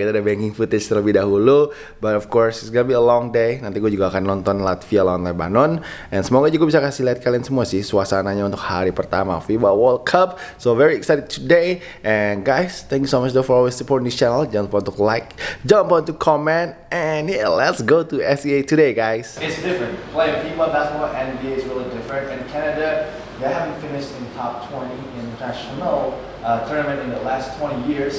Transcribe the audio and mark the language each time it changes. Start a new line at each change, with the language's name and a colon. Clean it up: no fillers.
Indonesian: Kita ada banking footage terlebih dahulu.
English: But of course it's gonna be a long day.
Indonesian: Nanti gue juga akan nonton Latvia lawan Lebanon. And semoga juga bisa kasih lihat kalian semua sih suasananya untuk hari pertama FIBA World Cup.
English: So very excited today. And guys, thank you so much though for always supporting this channel.
Indonesian: Jangan lupa untuk like, jangan lupa untuk komen,
English: and yeah, let's go to SEA today, guys. It's different. Playing FIBA basketball and NBA is really different. In Canada, they haven't finished in top 20 in national tournament in the last 20 years.